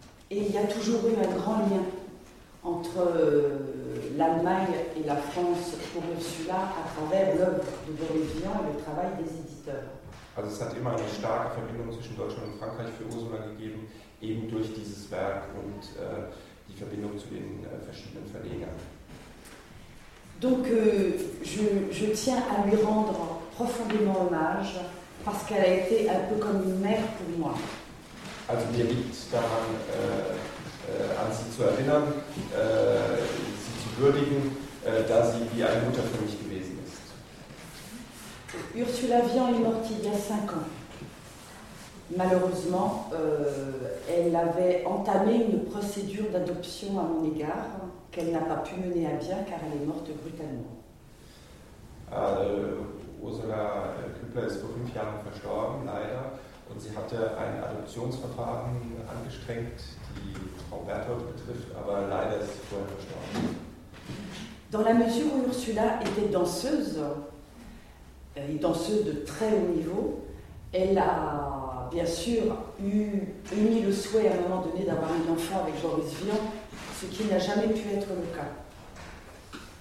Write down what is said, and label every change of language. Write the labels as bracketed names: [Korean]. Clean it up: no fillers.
[French] Et il y a toujours eu un grand lien entre l'Allemagne et la France pour Ursula à travers l'œuvre de Boris Vian et le travail des éditeurs. [German] Also es hat immer eine starke Verbindung zwischen Deutschland und Frankreich für Ursula gegeben, eben durch dieses Werk und die Verbindung zu den verschiedenen Verlegern. [French] Donc je tiens à lui rendre profondément hommage parce qu'elle a été un peu comme une mère pour moi. [German] also mir liegt daran, an Sie zu erinnern, Sie zu würdigen, da sie wie eine Mutter für mich gewesen ist. [French] Ursula Vian est morte il y a 5 ans. Malheureusement, elle avait entamé une procédure d'adoption à mon égard qu'elle n'a pas pu mener à bien car elle est morte brutalement. [German] Ursula Küppler ist vor 5 Jahren verstorben, leider, und sie hatte ein Adoptionsverfahren angestrengt, die Frau Berthold betrifft, aber leider ist sie vorher verstorben. [French] Dans la mesure où Ursula était danseuse, et danseuse de très haut niveau, elle a bien sûr émis le souhait à un moment donné d'avoir un enfant avec Boris Vian, ce qui n'a jamais pu être le cas.